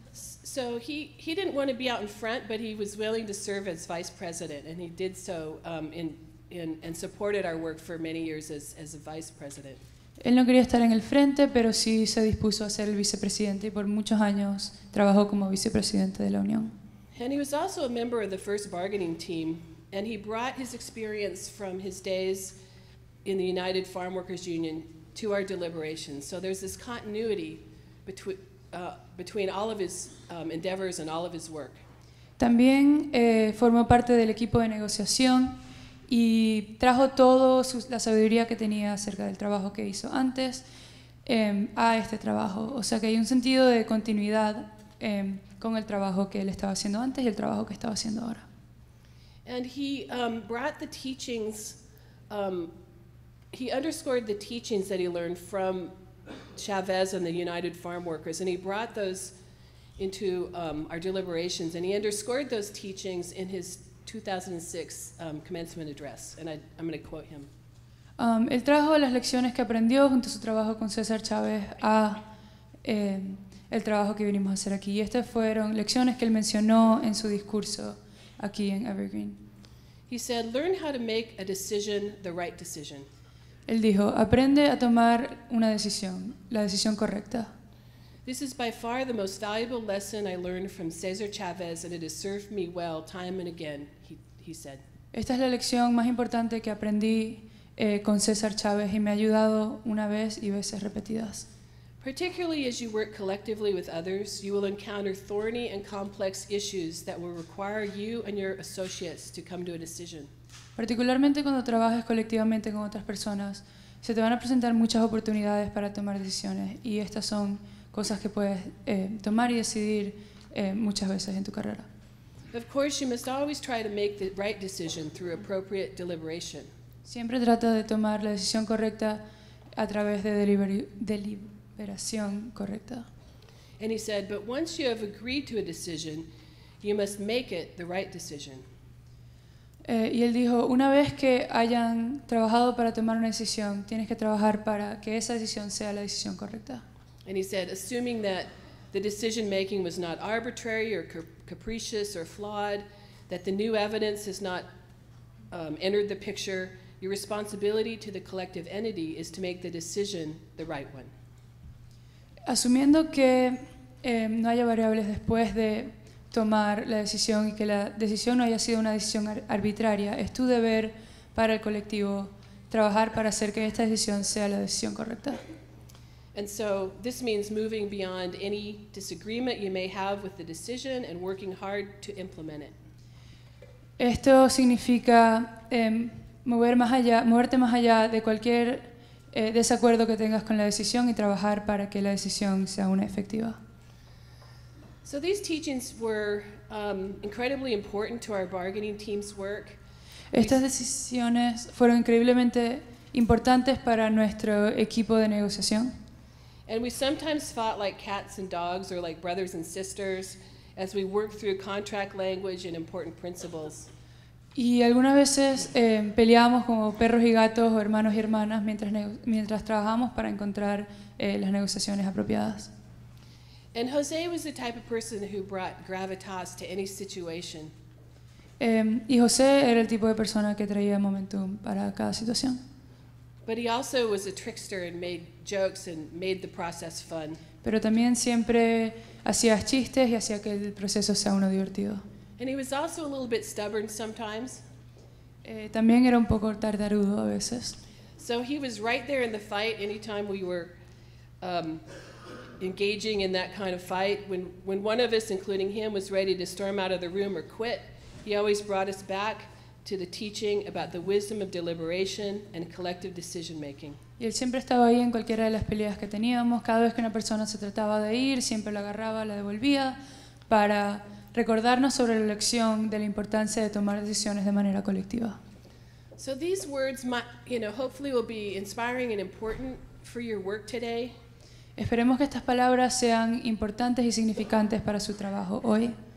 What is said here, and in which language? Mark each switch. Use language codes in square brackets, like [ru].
[en] So he didn't want to be out in front, but he was willing to serve as vice president, and he did so and supported our work for many years as a vice president. [es] Él no quería estar en el frente, pero sí se dispuso a ser el vicepresidente, y por muchos años trabajó como vicepresidente de la unión. [en] And he was also a member of the first bargaining team, and he brought his experience from his days in the United Farmworkers Union to our deliberations. So there's this continuity between all of his endeavors and all of his work. [es] También formó parte del equipo de negociación y trajo todo la sabiduría que tenía acerca del trabajo que hizo antes a este trabajo. O sea que hay un sentido de continuidad con el trabajo que él estaba haciendo antes y el trabajo que estaba haciendo ahora. [en] And he brought the teachings, he underscored the teachings that he learned from Chavez and the United Farmworkers, and he brought those into our deliberations, and he underscored those teachings in his 2006 commencement address, and I'm going to quote him. [es] Él trajo las lecciones que aprendió junto a su trabajo con César Chávez a el trabajo que vinimos a hacer aquí. Y estas fueron lecciones que él mencionó en su discurso aquí en Evergreen. [en] He said, learn how to make a decision, the right decision. [es] Él dijo, aprende a tomar una decisión, la decisión correcta. [en] This is by far the most valuable lesson I learned from Cesar Chavez, and it has served me well time and again, he said. [es] Esta es la lección más importante que aprendí con César Chávez y me ha ayudado una vez y veces repetidas. [en] Particularly as you work collectively with others, you will encounter thorny and complex issues that will require you and your associates to come to a decision. [es] Particularmente cuando trabajes colectivamente con otras personas, se te van a presentar muchas oportunidades para tomar decisiones y estas son cosas que puedes tomar y decidir muchas veces en tu carrera. [en] Of course, you must always try to make the right decision through appropriate deliberation. [es] Siempre trata de tomar la decisión correcta a través de deliberación correcta. [en] And he said, but once you have agreed to a decision, you must make it the right decision. [es] Y él dijo, una vez que hayan trabajado para tomar una decisión, tienes que trabajar para que esa decisión sea la decisión correcta. [en] And he said, assuming that the decision making was not arbitrary or capricious or flawed, that the new evidence has not entered the picture, your responsibility to the collective entity is to make the decision the right one. [es] Asumiendo que no haya variables después de tomar la decisión y que la decisión no haya sido una decisión arbitraria, es tu deber para el colectivo trabajar para hacer que esta decisión sea la decisión correcta. [en] And so this means moving beyond any disagreement you may have with the decision and working hard to implement it. [es] Esto significa moverte más allá de cualquier desacuerdo que tengas con la decisión y trabajar para que la decisión sea una efectiva. [en] So these teachings were incredibly important to our bargaining team's work. [es] Estas decisiones fueron increíblemente importantes para nuestro equipo de negociación. [en] And we sometimes fought like cats and dogs or like brothers and sisters as we worked through contract language and important principles. [es] Y algunas veces peleábamos como perros y gatos o hermanos y hermanas mientras trabajábamos para encontrar las negociaciones apropiadas. [en] And José was the type of person who brought gravitas to any situation. [es] Y José era el tipo de persona que traía momentum para cada situación. [en] But he also was a trickster and made jokes and made the process fun. [es] Pero también siempre hacía chistes y hacía que el proceso sea uno divertido. [en] And he was also a little bit stubborn sometimes. [es] También era un poco tartarudo a veces. [en] So he was right there in the fight anytime we were engaging in that kind of fight. When one of us, including him, was ready to storm out of the room or quit, he always brought us back to the teaching about the wisdom of deliberation and collective decision making. [es] Y él siempre estaba ahí en cualquiera de las peleas que teníamos. Cada vez que una persona se trataba de ir, siempre lo agarraba, la devolvía para recordarnos sobre la lección de la importancia de tomar decisiones de manera colectiva. [en] So these words might, you know, hopefully will be inspiring and important for your work today. [es] Esperemos que estas palabras sean importantes y significantes para su trabajo hoy.